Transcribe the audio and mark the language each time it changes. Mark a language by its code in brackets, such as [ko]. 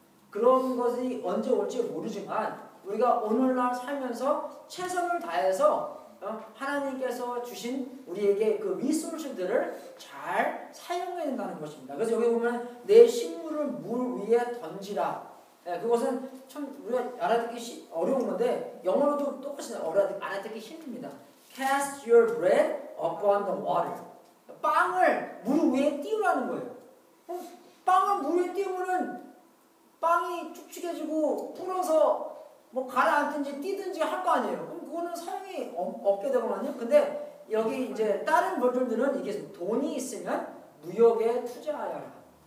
[ko] 그런 것이 언제 올지 모르지만 우리가 오늘날 살면서 최선을 다해서 하나님께서 주신 우리에게 그 리소스들을 잘 사용해야 된다는 것입니다. 그래서 여기 보면 내 식물을 물 위에 던지라. 네, 그것은 참 우리가 알아듣기 어려운 건데 영어로도 똑같이 알아듣기 힘듭니다. [en] Cast your bread upon the water. [ko] 빵을 물 위에 띄우라는 거예요. 빵을 물 위에 띄우면 빵이 축축해지고 불어서 뭐 가라앉든지 뛰든지 할 거 아니에요. 그럼 그거는 사용이 없게 되거든요. 근데 여기 이제 다른 버전들은 이게 돈이 있으면 무역에 투자하여라.